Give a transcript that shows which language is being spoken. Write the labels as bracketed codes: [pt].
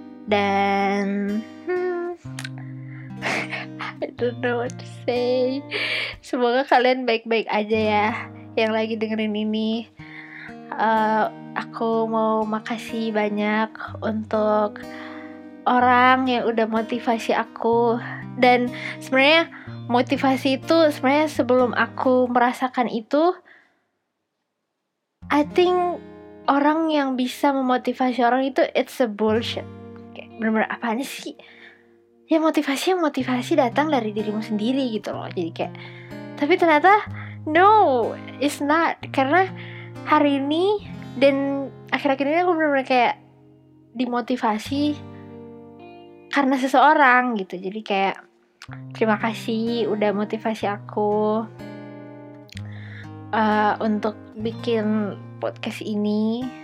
[en] Dan I don't know what to say. [id] Semoga kalian baik-baik aja ya yang lagi dengerin ini. Aku mau makasih banyak untuk orang yang udah motivasi aku. Dan sebenarnya motivasi itu sebenarnya sebelum aku merasakan itu, I think orang yang bisa memotivasi orang itu [en] it's a bullshit. [id] Kayak bener-bener apaan sih? Ya motivasi datang dari dirimu sendiri gitu loh. Jadi kayak tapi ternyata [en] no, it's not. [id] Karena hari ini dan akhir-akhir ini aku bener-bener kayak dimotivasi karena seseorang gitu. Jadi kayak terima kasih udah motivasi aku untuk bikin podcast ini.